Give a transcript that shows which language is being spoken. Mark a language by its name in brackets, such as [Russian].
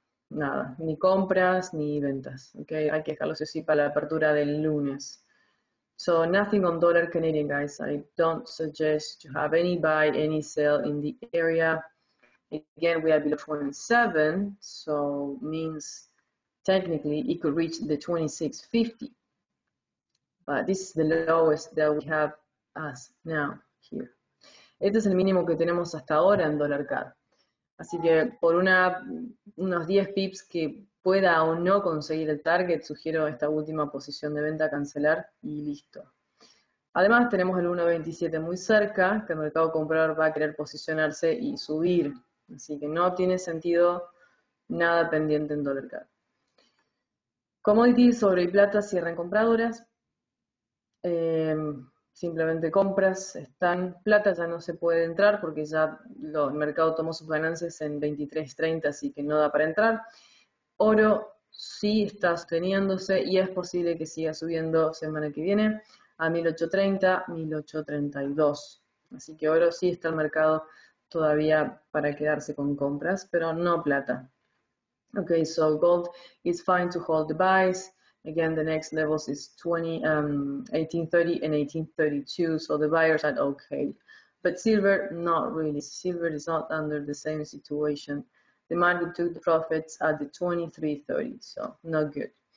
[Spanish] Nada, ni compras ni ventas. Okay, hay que dejarlo así para la apertura del lunes. [English] So nothing on dollar Canadian, guys. I don't suggest you have any buy, any sell in the area. Again, we are below 27, so means technically it could reach the 26.50. But this is the lowest that we have as now here. [Spanish] Este es el mínimo que tenemos hasta ahora en dólar CAD. Así que por unos 10 pips que pueda o no conseguir el target, sugiero esta última posición de venta cancelar y listo. Además, tenemos el 1.27 muy cerca, que el mercado comprador va a querer posicionarse y subir. Así que no tiene sentido nada pendiente en dólar CAD. Commodities, oro y plata cierran compradoras. Simplemente compras están. Plata ya no se puede entrar porque ya el mercado tomó sus ganancias en 23.30, así que no da para entrar. Oro sí está sosteniéndose y es posible que siga subiendo semana que viene a 1830, 1832. Así que oro sí está el mercado todavía para quedarse con compras, pero no plata. [English] Ok, so gold is fine to hold the buys. Again, the next levels is 1830 and 1832, so the buyers are okay. But silver, not really. Silver is not under the same situation. The market took the profits at the 2330, so not good.